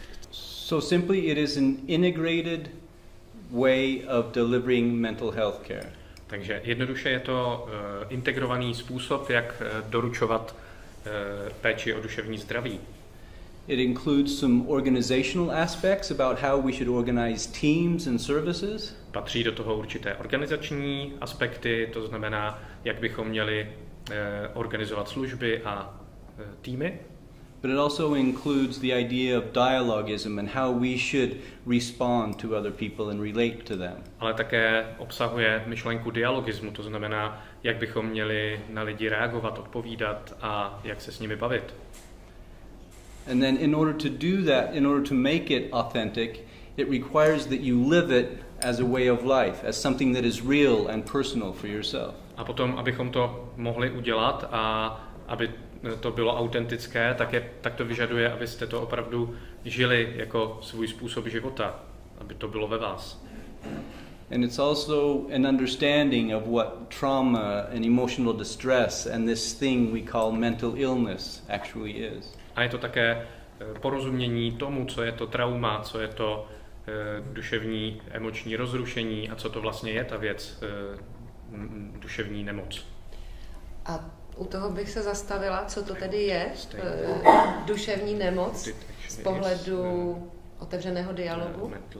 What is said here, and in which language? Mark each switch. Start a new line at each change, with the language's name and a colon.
English: So simply it is an integrated way of delivering mental health care.
Czech: Takže jednoduše je to integrovaný způsob, jak doručovat péči o duševní zdraví.
English: It includes some organizational aspects about how we should organize teams and services.
Czech: Patří do toho určité organizační aspekty, to znamená, jak bychom měli organizovat služby a týmy.
English: But it also includes the idea of dialogism and how we should respond to other people and relate to them.
Czech: Ale také obsahuje myšlenku dialogismu, to znamená, jak bychom měli na lidi reagovat, odpovídat a jak se s nimi bavit.
English: And then in order to do that, in order to make it authentic, it requires that you live it as a way of life, as something that is real and personal for yourself.
Czech: A potom, abychom to mohli udělat a aby to bylo autentické, tak, je, tak to vyžaduje, abyste to opravdu žili jako svůj způsob života, aby to bylo ve vás.
English: And it's also an understanding of what trauma and emotional distress and this thing we call mental illness actually is.
Czech: A je to také porozumění tomu, co je to trauma, co je to duševní emoční rozrušení a co to vlastně je ta věc, duševní nemoc. A u toho bych se zastavila, co to tedy je, duševní nemoc z pohledu otevřeného dialogu.